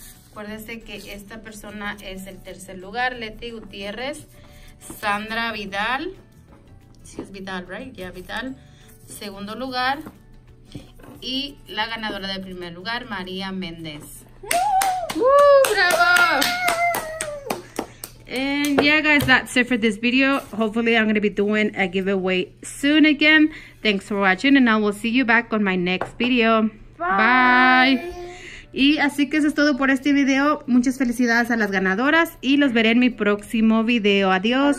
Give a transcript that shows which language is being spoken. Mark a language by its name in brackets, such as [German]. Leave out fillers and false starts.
[Spanish] Acuérdese que esta persona es el tercer lugar, Leti Gutiérrez, Sandra Vidal, sí es Vidal, right? Ya, yeah, Vidal, segundo lugar, y la ganadora del primer lugar, María Méndez. ¡Woo! ¡Bravo! [English] And yeah, guys, that's it for this video. Hopefully, I'm going to be doing a giveaway soon again. Thanks for watching, and I will see you back on my next video. Bye! Bye. [Spanish] Y así que eso es todo por este video. Muchas felicidades a las ganadoras y los veré en mi próximo video. Adiós.